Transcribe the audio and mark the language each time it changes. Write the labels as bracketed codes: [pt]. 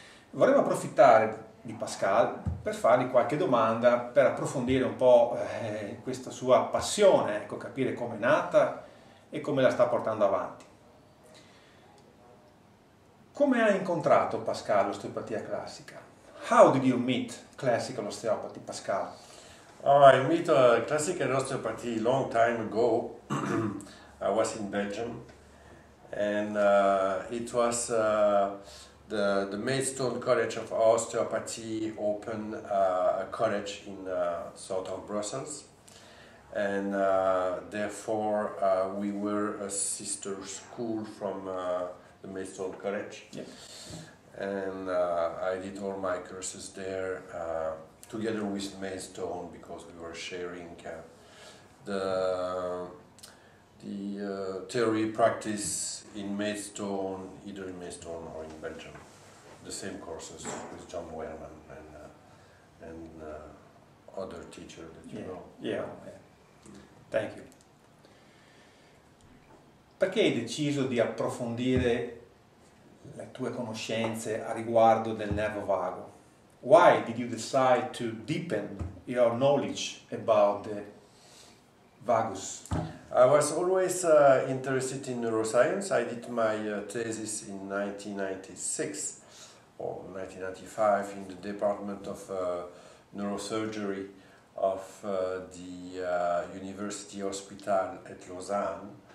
[it] Vorrei approfittare di Pascal per fargli qualche domanda per approfondire un po' questa sua passione, ecco, capire come è nata e come la sta portando avanti. Come ha incontrato Pascal l'osteopatia classica? [en] How did you meet classical osteopathy Pascal? Oh, I meet a classical osteopathy a long time ago. I was in Belgium, and it was the Maidstone College of Osteopathy opened a college in south of Brussels, and therefore we were a sister school from the Maidstone College, and I did all my courses there. Together with Maidstone, because we were sharing the theory practice in Maidstone, either in Maidstone or in Belgium, the same courses with John Wehrman and other teacher that you know. Thank you. [it] Perché hai deciso di approfondire le tue conoscenze a riguardo del nervo vago? [en] Why did you decide to deepen your knowledge about the vagus? I was always interested in neuroscience. I did my thesis in 1996 or 1995 in the Department of Neurosurgery of the University Hospital at Lausanne.